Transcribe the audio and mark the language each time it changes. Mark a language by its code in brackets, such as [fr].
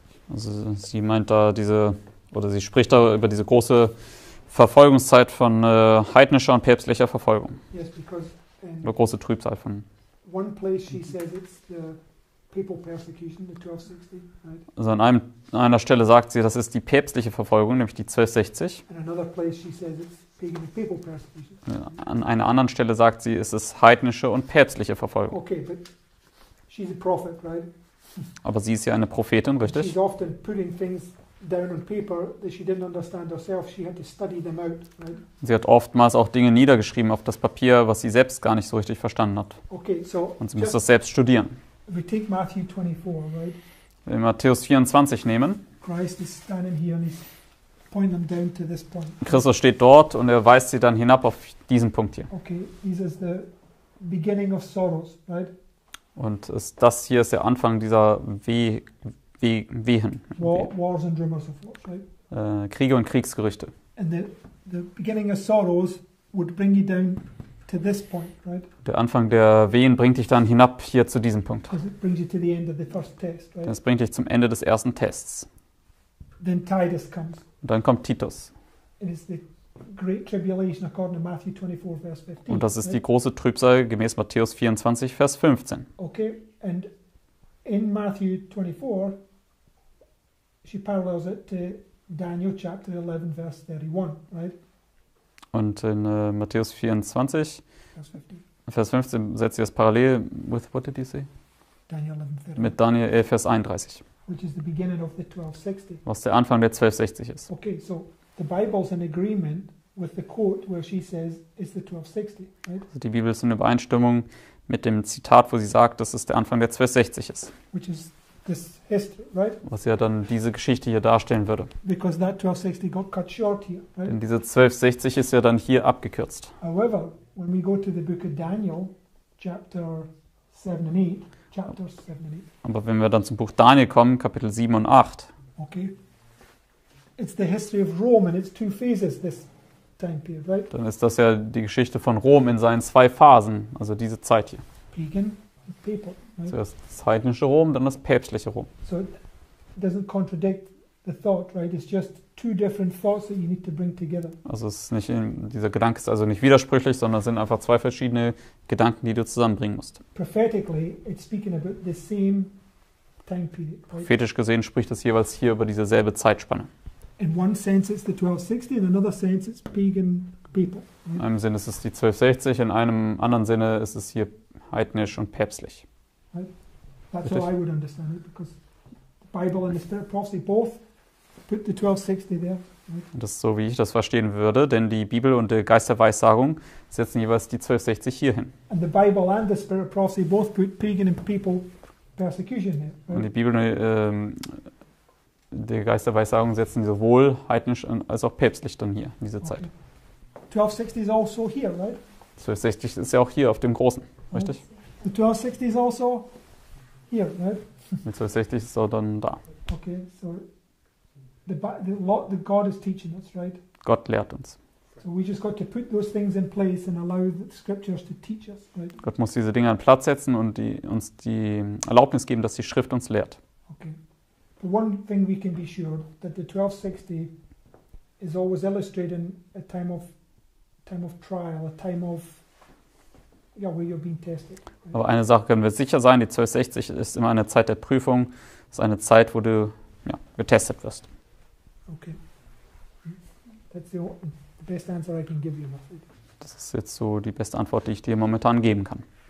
[de] Also sie meint da diese, oder sie spricht da über diese große Verfolgungszeit von heidnischer und päpstlicher Verfolgung. [en] Yes, because, [de] oder große Trübsal von. [en] One place she says it's the papal persecution, the 1260, right? [de] Also an einer Stelle sagt sie, das ist die päpstliche Verfolgung, nämlich die 1260. [en] And another place she says it's pagan and papal persecution. [de] An einer anderen Stelle sagt sie, es ist heidnische und päpstliche Verfolgung. [en] Okay, but she's a prophet, right? [de] Aber sie ist ja eine Prophetin, richtig? [en] She's often putting things down on paper that she didn't understand herself. She had to study them out, right? [de] Sie hat oftmals auch Dinge niedergeschrieben auf das Papier, was sie selbst gar nicht so richtig verstanden hat. [en] Okay, so [de] und sie muss das selbst studieren. [en] We take Matthew 24, right? [de] Wenn wir Matthäus 24 nehmen. [en] Christ is standing here and he's pointing them down to this point. [de] Christus steht dort und er weist sie dann hinab auf diesen Punkt hier. [en] Okay, this is the beginning of sorrows, right? [de] Und das hier ist der Anfang dieser Wehen. [en] Wars and rumors of wars, right? [de] Kriege und Kriegsgerüchte. [en] And the beginning of sorrows would bring you down to this point, right? [de] Der Anfang der Wehen bringt dich dann hinab hier zu diesem Punkt. [en] It brings you to the end of the first test, right? [de] Das bringt dich zum Ende des ersten Tests. [en] Then Titus comes. [de] Und dann kommt Titus. [en] It is the great tribulation according to Matthew 24, verse 15, [de] und das ist [en] right? [de] Die große Trübsal gemäß Matthäus 24, Vers 15. [en] Okay, and in Matthew 24, she parallels it to Daniel chapter 11, verse 31, right? [de] Und in Matthäus 24, Vers 15, setzt sie das parallel [en] with, what did you say? Daniel 11, 31. [de] Mit Daniel 11, Vers 31. [en] Which is the beginning of the 1260. [de] Was der Anfang der 1260 ist. [en] Okay, so the Bible's in agreement with the quote where she says it's the 1260, right? [de] Also die Bibel ist in Übereinstimmung mit dem Zitat, wo sie sagt, dass es der Anfang der 1260 ist. [en] Which is this history, right? [de] Was ja dann diese Geschichte hier darstellen würde. [en] Because that 1260 got cut short here, right? [de] Denn diese 1260 ist ja dann hier abgekürzt. [en] However, when we go to the book of Daniel, chapter 7 and 8, chapters 7 and 8. [de] Aber wenn wir dann zum Buch Daniel kommen, Kapitel 7 und 8. [en] Okay. It's the history of Rome and its two phases, this time period, right? [de] Dann ist das ja die Geschichte von Rom in seinen zwei Phasen, also diese Zeit hier. [en] Pagan and papal, right? [de] Zuerst das heidnische Rom, dann das päpstliche Rom. [en] So it doesn't contradict the thought, right? It's just two different thoughts that you need to bring together. [de] Also es ist nicht, dieser Gedanke ist also nicht widersprüchlich, sondern es sind einfach zwei verschiedene Gedanken, die du zusammenbringen musst. [en] Prophetically, it's speaking about the same time period, right? [de] Prophetisch gesehen spricht es jeweils hier über dieselbe Zeitspanne. [en] In one sense it's the 1260, in another sense it's pagan people. [de] In einem Sinne ist es die 1260, in einem anderen Sinne ist es hier heidnisch und päpstlich. [en] Right? That's how I would understand it, because the Bible and the Spirit of Prophecy both put the 1260 there. Right? [de] Das ist so, wie ich das verstehen würde, denn die Bibel und die Geisterweissagung setzen jeweils die 1260 hierhin. [en] And the Bible and the Spirit of Prophecy both put pagan and people persecution there. Right? [de] Und die Bibel die Geisterweissagung setzen sowohl heidnisch als auch päpstlich dann hier in dieser Zeit. [en] 1260 is also here, right? [de] 1260 ist ja auch hier auf dem Großen, richtig? [en] The 1260 is also here, right? [de] Die 1260 ist auch dann da. [en] Okay, so the God is teaching us, right? [de] Gott lehrt uns. [en] So we just got to put those things in place and allow the scriptures to teach us, right? [de] Gott muss diese Dinge an Platz setzen und uns die Erlaubnis geben, dass die Schrift uns lehrt. [en] Okay. The one thing we can be sure that the 1260 is always illustrating a time of trial, a time of where you're being tested. [de] Aber eine Sache können wir sicher sein, die 1260 ist immer eine Zeit der Prüfung, ist eine Zeit, wo du getestet wirst. [en] Okay. That's the best answer I can give you, Matthew. [de] Das ist jetzt so die beste Antwort, die ich dir momentan geben kann.